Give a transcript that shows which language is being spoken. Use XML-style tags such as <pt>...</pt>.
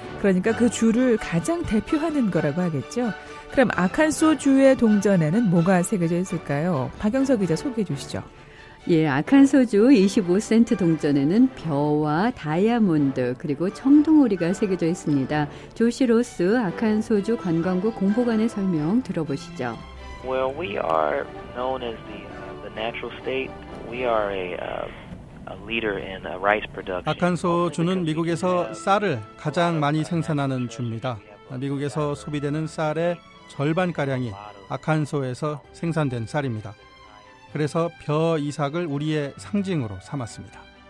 <ko>그러니까 그 주를 가장 대표하는 거라고 하겠죠. 그럼 아칸소 주의 동전에는 뭐가 새겨져 있을까요? 박영석 기자 소개해 주시죠. 예, 아칸소주 25센트 동전에는 벼와 다이아몬드 그리고 청둥오리가 새겨져 있습니다. 조시 로스 아칸소주 관광국 공보관의 설명 들어보시죠.</ko> <en>Well, we are known as the natural state. We are a leader in rice production.</en> <ko>아칸소주는 미국에서 쌀을 가장 많이 생산하는 주입니다. 미국에서 소비되는 쌀의 절반 가량이 아칸소에서 생산된 쌀입니다. 그래서 벼 이삭을 우리의 상징으로 삼았습니다.</ko>